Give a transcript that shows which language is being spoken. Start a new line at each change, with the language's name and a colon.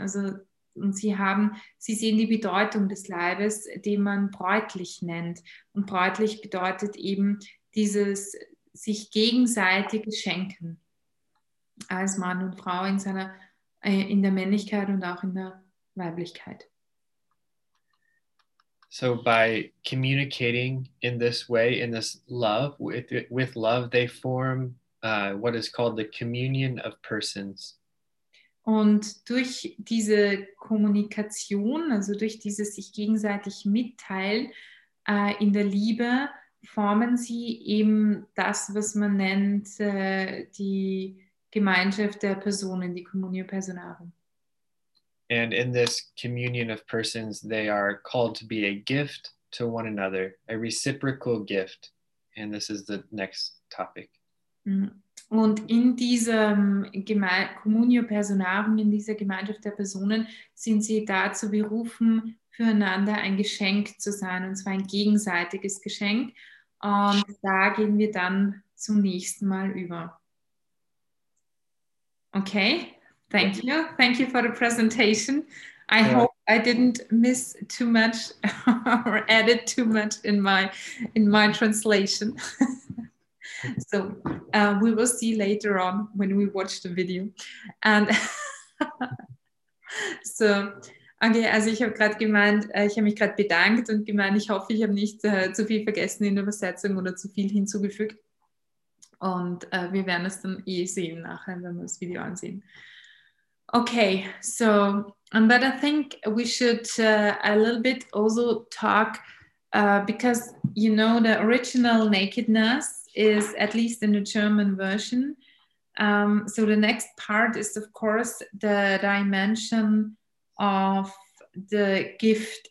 German: Also, und sie sehen die Bedeutung des Leibes, den man bräutlich nennt. Und bräutlich bedeutet eben dieses sich gegenseitige Schenken als Mann und Frau in der Männlichkeit und auch in der Weiblichkeit.
English: So by communicating in this way, in this love, with love, they form what is called the communion of persons.
German: Und durch diese Kommunikation, also durch dieses sich gegenseitig mitteilen in der Liebe, formen sie eben das, was man nennt die Gemeinschaft der Personen, die Communio Personarum.
English: And in this communion of persons, they are called to be a gift to one another, a reciprocal gift. And this is the next topic.
German: Und in diesem Communio Personarum, in dieser Gemeinschaft der Personen, sind sie dazu berufen, füreinander ein Geschenk zu sein, und zwar ein gegenseitiges Geschenk. Und da gehen wir dann zum nächsten Mal über.
English: Okay, thank you. Thank you for the presentation. I hope I didn't miss too much or added too much in my translation. So we will see later on when we watch the video.
German: And so, okay, also ich habe gerade gemeint, ich habe mich gerade bedankt und gemeint, ich hoffe, ich habe nicht zu viel vergessen in der Übersetzung oder zu viel hinzugefügt. Und wir werden es dann eh sehen nachher, wenn wir das Video ansehen.
English: Okay, so, but I think we should a little bit also talk, because, you know, the original nakedness is at least in the German version. So the next part is, of course, the dimension of the gift.